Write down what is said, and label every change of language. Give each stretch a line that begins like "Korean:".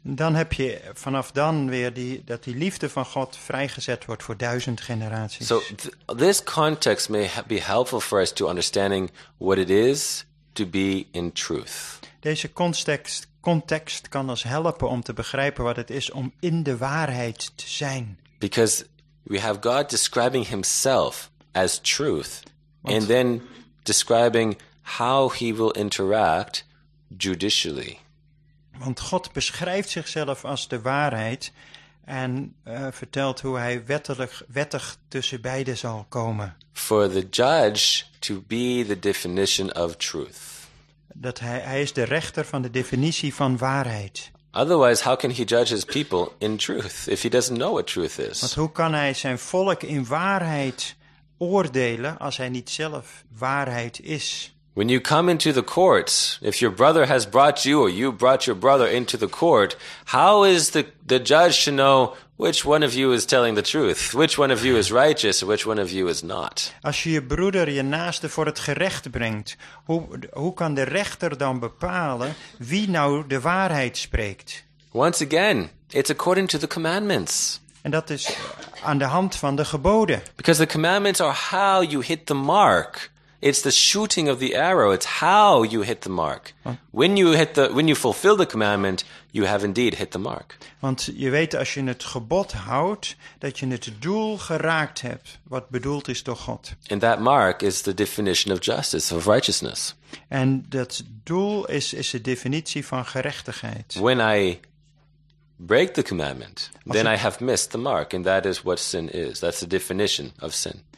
Dutch: Dan heb je vanaf dan weer die liefde van God vrijgezet wordt voor 1,000 generaties.
English: So this context may be helpful for us to understanding what it is to be in truth.
Dutch: Deze context kan ons helpen om te begrijpen wat het is om in de waarheid te zijn.
English: Because we have God describing himself as truth. And then describing how he will interact judicially.
Dutch: Want God beschrijft zichzelf als de waarheid en vertelt hoe hij wettig tussen beiden zal komen.
English: For the judge to be the definition of truth.
Dutch: Dat hij is de rechter van de definitie van waarheid.
English: Otherwise, how can he judge his people in truth if he doesn't know what truth is?
Dutch: Want hoe kan hij zijn volk in waarheid oordelen als hij niet zelf waarheid is?
English: When you come into the courts, if your brother has brought you or you brought your brother into the court, how is the judge to know which one of you is telling the truth, which one of you is righteous, which one of you is not?
Dutch: Als je broeder je naaste voor het gerecht brengt, hoe kan de rechter dan bepalen wie nou de waarheid spreekt?
English: Once again, it's according to the commandments.
Dutch: En dat is aan de hand van de geboden.
English: Because the commandments are how you hit the mark. It's the shooting of the arrow. It's how you hit the mark. When you fulfill the commandment, you have indeed hit the mark.
Dutch: Want je weet als je het gebod houdt, dat je het doel geraakt hebt, wat bedoeld is door God.
English: And that mark is the definition of justice, of righteousness.
Dutch: En dat doel is de definitie van gerechtigheid.
English: When I break the commandment, then I have missed the mark. And that is what sin is. That's the definition of sin.